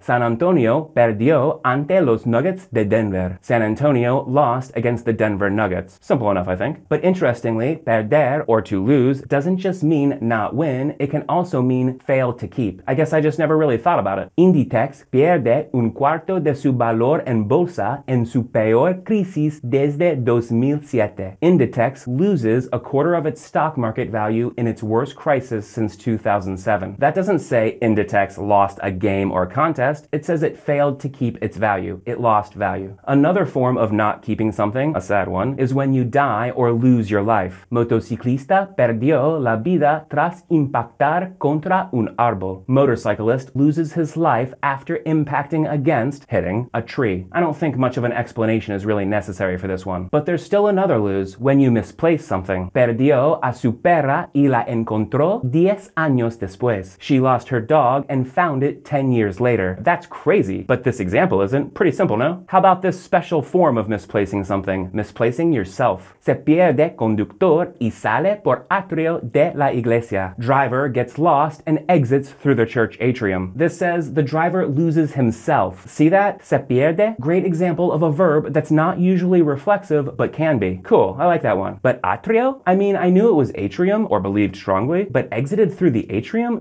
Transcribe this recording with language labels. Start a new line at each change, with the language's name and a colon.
Spanish: San Antonio perdió ante los Nuggets de Denver.
English: San Antonio lost against the Denver Nuggets. Simple enough, I think. But interestingly, perder, or to lose, doesn't just mean not win, it can also mean fail to keep. I guess I just never really thought about it.
Spanish: Inditex pierde un cuarto de su valor en bolsa en su peor crisis desde 2007.
English: Inditex loses a quarter of its stock market value in its worst crisis since 2007. That doesn't say Inditex lost a game or contest, it says it failed to keep its value. It lost value. Another form of not keeping something, a sad one, is when you die or lose your life.
Spanish: Motociclista perdió la vida tras impactar contra un árbol.
English: Motorcyclist loses his life after impacting against, hitting, a tree. I don't think much of an explanation is really necessary for this one. But there's still another lose, when you misplace something.
Spanish: Perdió a su perra y la encontró 10 años después.
English: She lost her dog and found it 10 years later. That's crazy, but this example isn't. Pretty simple, no? How about this special form of misplacing something, misplacing yourself.
Spanish: Se pierde conductor y sale por atrio de la iglesia.
English: Driver gets lost and exits through the church atrium. This says the driver loses himself. See that? Se pierde? Great example of a verb that's not usually reflexive, but can be. Cool, I like that one. But atrio? I mean, I knew it was atrium, or believed strongly, but exited through the atrium?